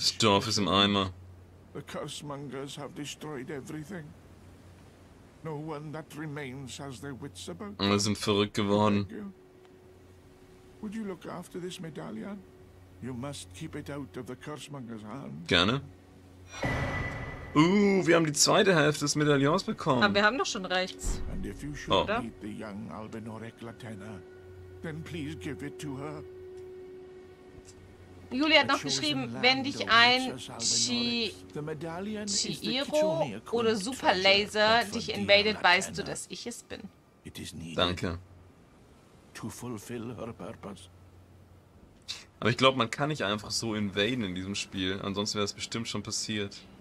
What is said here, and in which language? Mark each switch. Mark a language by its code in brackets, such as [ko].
[de] Das Dorf ist im Eimer. [en] The curse mongers have destroyed everything. No one that remains has their wits about. [de] Wir sind verrückt geworden. [en] Would you look after this medallion? You must keep it out of the curse mongers' hands. [de] Gerne. Wir haben die zweite Hälfte des Medaillons bekommen. Aber wir haben doch schon rechts. [en] And if you should meet the young Albinoric Latena, then please give it to her. [de] Julia hat noch geschrieben, wenn dich ein Chihiro oder Super Laser dich invaded, weißt du, dass ich es bin. Danke. [en] To fulfill her purpose. [de] Aber ich glaube, man kann nicht einfach so invaden in diesem Spiel, ansonsten wäre es bestimmt schon passiert.